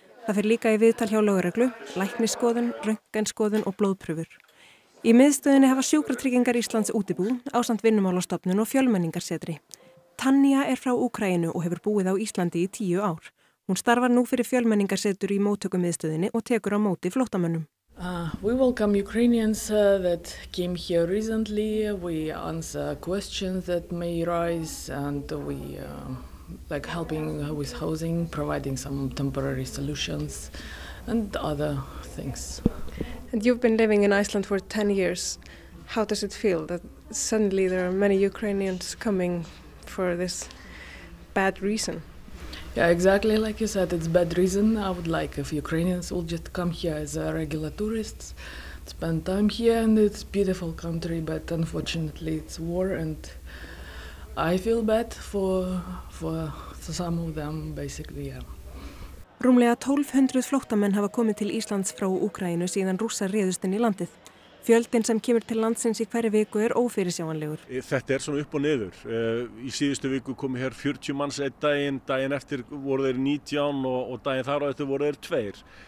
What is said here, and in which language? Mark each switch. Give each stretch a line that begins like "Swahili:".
Icelandic: Það fer líka í viðtal hjá lögreglu, læknisskoðun, röntgenskoðun og blóðprufur. Í miðstöðinni hafa sjúkratryggingar Íslands útibú, ásamt vinnumálastofnun og fjölmenningarsetri. Tanja er frá Úkraínu og hefur búið á Íslandi í 10 ár. Hún starfar nú fyrir fjölmenningarsetur í móttöku miðstöðinni og tekur á móti flóttamönnum.
English: We welcome Ukrainians that came here recently. We answer questions that may arise and we... Like helping with housing, providing some temporary solutions and other things. And you've been living in Iceland for 10 years. How does it feel that suddenly there are many Ukrainians coming for this bad reason? Yeah, exactly. Like you said, it's bad reason. I would like if Ukrainians would just come here as a regular tourists, spend time here and it's beautiful country, but unfortunately it's war and I feel bad for some of them, basically, yeah.
Icelandic: Rúmlega 1200 flóttamenn hafa komið til Íslands frá Úkraínu síðan rússar réðust inn í landið. Fjöldin sem kemur til landsins í hverri viku ófyrirsjáanlegur. Þetta svona upp og niður. Í síðustu viku komu hér 40 manns einn daginn eftir voru þeir 19 og daginn þar á eftir voru þeir 2.